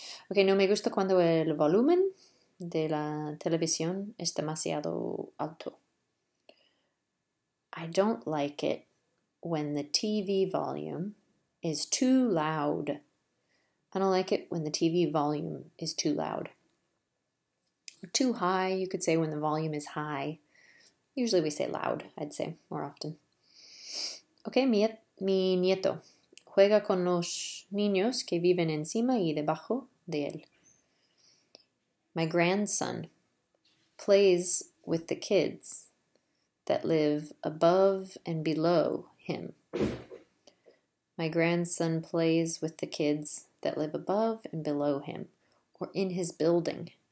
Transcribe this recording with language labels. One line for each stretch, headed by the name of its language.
Spanish: Okay, no me gusta cuando el volumen de la televisión es demasiado alto.
English: I don't like it when the TV volume is too loud. I don't like it when the TV volume is too loud. Too high, you could say when the volume is high. Usually we say loud, I'd say more often.
Spanish: Okay, mi nieto juega con los niños que viven encima y debajo de él.
English: My grandson plays with the kids that live above and below him. My grandson plays with the kids that live above and below him, or in his building.